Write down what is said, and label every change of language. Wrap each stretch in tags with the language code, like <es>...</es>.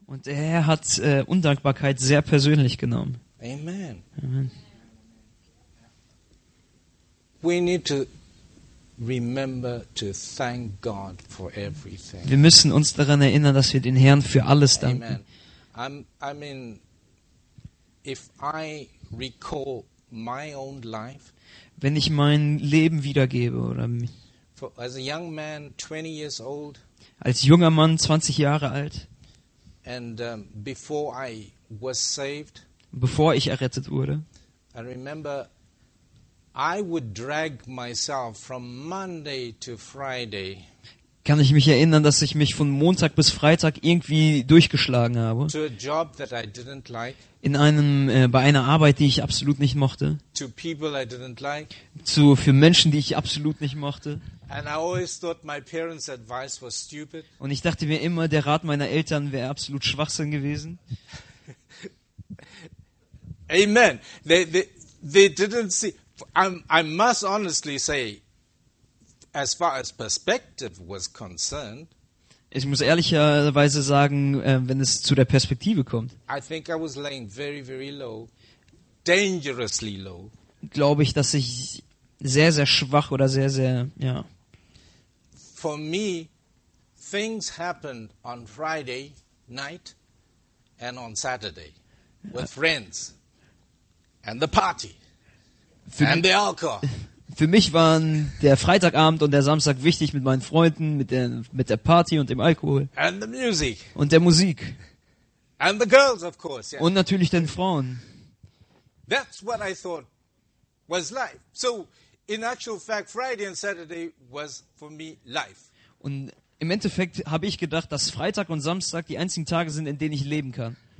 <de>Und der Herr hat Undankbarkeit sehr persönlich genommen. Amen. Amen.</de> <en>We need to remember to thank God for everything.</en> <de>Wir müssen uns daran erinnern, dass wir den Herrn für alles danken. Amen.</de> <en>If I recall my own life,</en> <de>wenn ich mein Leben wiedergebe oder</de> <en>as a young man, 20 years old,</en> <de>als junger Mann, 20 Jahre alt,</de> <en>and before I was saved,</en> <de>bevor ich errettet wurde,</de> <en>I remember I would drag myself from Monday to Friday.</en> <de>Kann ich mich erinnern, dass ich mich von Montag bis Freitag irgendwie durchgeschlagen habe?</de> <en>To a job that I didn't like.</en> <de>Bei einer Arbeit, die ich absolut nicht mochte.</de> <en>To people I didn't like.</en> <de>Für Menschen, die ich absolut nicht mochte.</de> <en>And I always thought my parents' advice was stupid.</en> <de>Und ich dachte mir immer, der Rat meiner Eltern wäre absolut Schwachsinn gewesen.</de> <en>Amen. They didn't see. I must honestly say, as far as perspective was concerned,</en> <de>ich muss ehrlicherweise sagen, wenn es zu der Perspektive kommt,</de> <en>I think I was laying very, very low, dangerously low.</en> <de>Glaube ich, dass ich sehr, sehr schwach oder sehr, sehr, ja.</de> <en>For me, things happened on Friday night and on Saturday with friends and the party and the alcohol.</en> <de>Für mich waren der Freitagabend und der Samstag wichtig mit meinen Freunden, mit der Party und dem Alkohol.</de> <en>And the music.</en> <de>Und der Musik.</de> <en>And the girls, of course, yeah.</en> <de>Und natürlich den Frauen.</de> <en>That's what I thought was life. So, in actual fact, Friday and Saturday was for me life.</en> <de>Und im Endeffekt habe ich gedacht, dass Freitag und Samstag die einzigen Tage sind, in denen ich leben kann.</de>